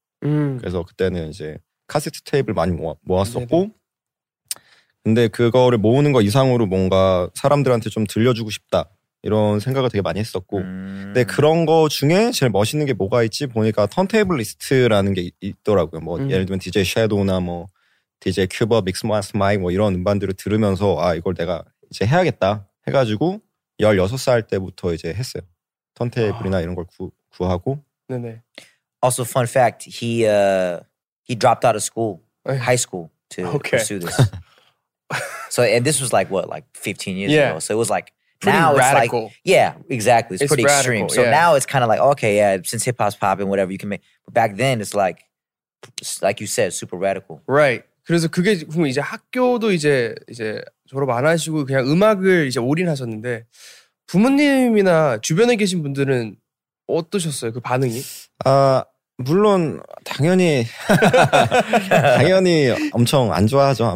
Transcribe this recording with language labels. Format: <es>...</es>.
<ko>그래서 그때는 이제 카세트 테이프를 많이 모았었고 근데 그거를 모으는 거 이상으로 뭔가 사람들한테 좀 들려주고 싶다 이런 생각을 되게 많이 했었고 근데 그런 거 중에 제일 멋있는 게 뭐가 있지 보니까 턴테이블 리스트라는 게 있더라고요. 뭐 예를 들면 DJ 섀도우나 뭐 DJ 큐버 믹스 마스터 마이크 뭐 이런 음반들을 들으면서 아 이걸 내가 이제 해야겠다 해가지고 16살 때부터 이제 했어요. 턴테이블이나 이런 걸 구하고 네네.</ko> <en>Also fun fact, he dropped out of school, high school to okay. pursue this. So and this was like what, like 15 years yeah. ago. So it was like pretty now radical. It's like, yeah, exactly. It's pretty radical, extreme. So yeah. now it's kind of like, okay, yeah, since hip-hop's popping, whatever you can make. But back then, it's like, you said, super radical. Right.</en> <ko>그래서 그게 이제 학교도 이제 졸업 안 하시고 그냥 음악을 이제 올인하셨는데 부모님이나 주변에 계신 분들은 어떠셨어요? 그 반응이? 아, 물론 당연히 당연히 엄청 안 좋아하죠.</ko>